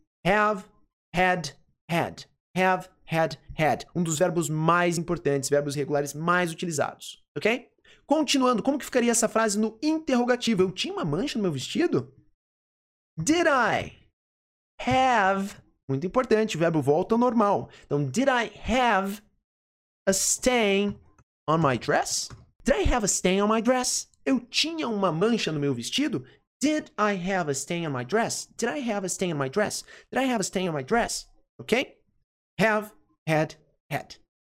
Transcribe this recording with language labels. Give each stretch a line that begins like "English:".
English: Have, had, had. Have, had, had.
Portuguese: Um dos verbos mais importantes, verbos regulares mais utilizados. Ok? Continuando, como que ficaria essa frase no interrogativo? Eu tinha uma mancha no meu vestido?
English: Did I have
Portuguese: Muito importante, o verbo volta ao normal.
English: Então, did I have a stain on my dress? Did I have a stain on my dress?
Portuguese: Eu tinha uma mancha no meu vestido?
English: Did I have a stain on my dress? Did I have a stain on my dress? Did I have a stain on my dress? Ok? Have, had, had.